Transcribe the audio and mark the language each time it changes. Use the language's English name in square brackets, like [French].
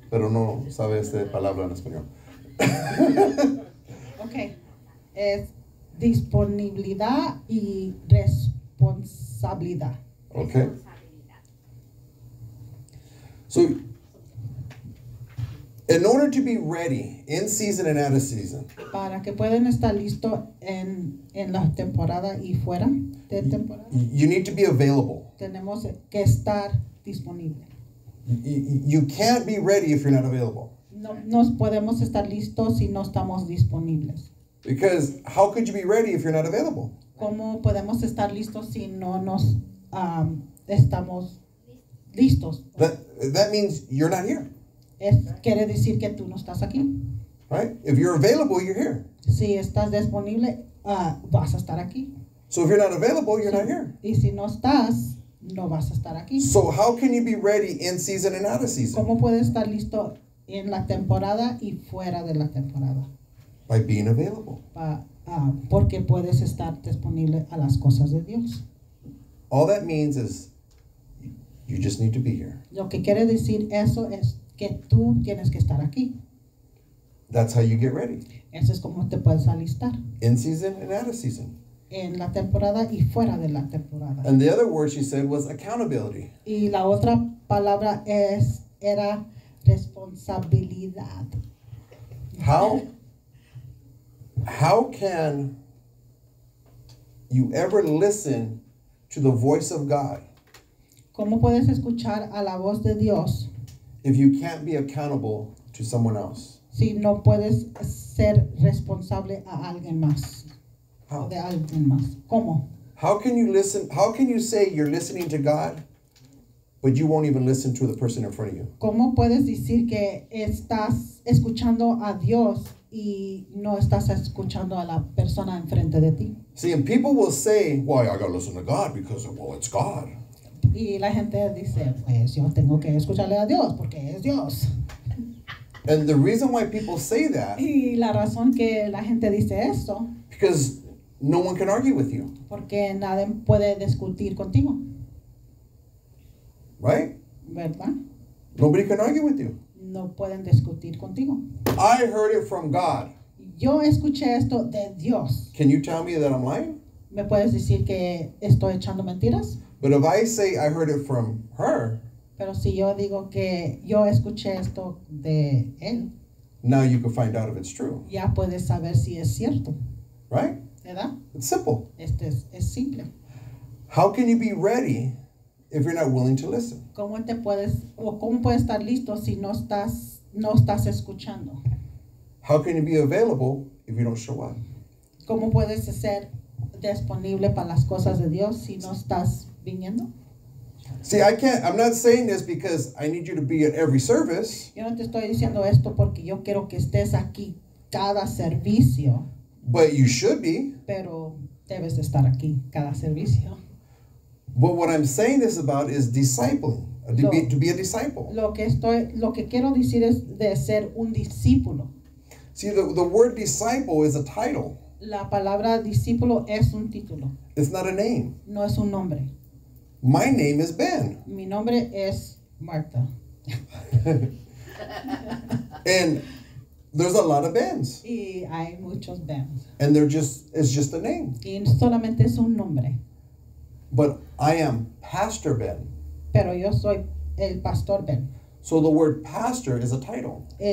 [Spanish] Pero no sabe esta palabra en español. [English] Okay. [Spanish] Es disponibilidad y responsabilidad. [English] Okay. So, in order to be ready, in season and out of season. [Spanish] Para que puedan estar listos en la temporada y fuera de temporada. [English] You need to be available. [Spanish] Tenemos que estar disponible. [English] You can't be ready if you're not available. [Spanish] No, no podemos estar listos si no estamos disponibles. [English] Because how could you be ready if you're not available? [Spanish] ¿Cómo podemos estar listos si no nos estamos listos? [English] That means you're not here. [Spanish] Es, quiere decir que tú no estás aquí. [English] Right? If you're available, you're here. [Spanish] Si estás disponible, vas a estar aquí. [English] So if you're not available, you're not here. [Spanish] Y si no estás, no vas a estar aquí. [English] So how can you be ready in season and out of season? [Spanish] ¿Cómo puedes estar listo en la temporada y fuera de la temporada? [English] By being available. [Spanish] Porque puedes estar disponible a las cosas de Dios. [English] All that means is you just need to be here. [Spanish] Lo que quiere decir eso es que tú tienes que estar aquí. [English] That's how you get ready. [Spanish] Eso es como te puedes alistar. [English] In season and out of season. [Spanish] En la temporada y fuera de la temporada. [English] And the other word she said was accountability. [Spanish] Y la otra palabra es, era responsabilidad. [English] How can you ever listen to the voice of God? [Spanish] ¿Cómo puedes escuchar a la voz de Dios? [English] If you can't be accountable to someone else. [Spanish] Si no puedes ser responsable a alguien más. [English] How? [Spanish] De alguien más. ¿Cómo? [English] How can you listen? How can you say you're listening to God, but you won't even listen to the person in front of you? [Spanish] ¿Cómo puedes decir que estás escuchando a Dios y no estás escuchando a la persona enfrente de ti? [English] See, and people will say, well, I gotta listen to God because, well, it's God. [Spanish] Y la gente dice, pues yo tengo que escucharle a Dios porque es Dios. [English] And the reason why people say that. [Spanish] Y la razón que la gente dice esto. [English] Because no one can argue with you. [Spanish] Porque nadie puede discutir contigo. [English] Right? [Spanish] ¿Verdad? [English] Nobody can argue with you. [Spanish] No pueden discutir contigo. [English] I heard it from God. [Spanish] Yo escuché esto de Dios. [English] Can you tell me that I'm lying? [Spanish] ¿Me puedes decir que estoy echando mentiras? [English] But if I say I heard it from her, [Spanish] pero si yo digo que yo escuché esto de él, [English] now you can find out if it's true. [Spanish] Ya puedes saber si es cierto. [English] Right? [Spanish] ¿Verdad? [English] It's simple. [Spanish] Este es simple. [English] How can you be ready if you're not willing to listen? [Spanish] ¿Cómo te puedes, o cómo puedes estar listo si no estás escuchando? [English] How can you be available if you don't show up? [Spanish] ¿Cómo puedes ser disponible para las cosas de Dios si no estás viniendo. [English] See, I can't, I'm not saying this because I need you to be at every service. [Spanish] Yo no te estoy diciendo esto porque yo quiero que estés aquí cada servicio. [English] But you should be. [Spanish] Pero debes de estar aquí cada servicio. [English] But what I'm saying this about is discipling, to be a disciple. [Spanish] Lo que quiero decir es ser un discípulo. [English] See, the word disciple is a title. [Spanish] La palabra discípulo es un título. [English] It's not a name. [Spanish] No es un nombre. [English] My name is Ben. [Spanish] Mi nombre es Marta. [English] And there's a lot of Bens. [Spanish] Y hay muchos Bens. [English] And they're just, it's just a name. [Spanish] Y solamente es un nombre. [English] But I am Pastor Ben. [Spanish] Pero yo soy el Pastor Ben. [English] So the word pastor is a title.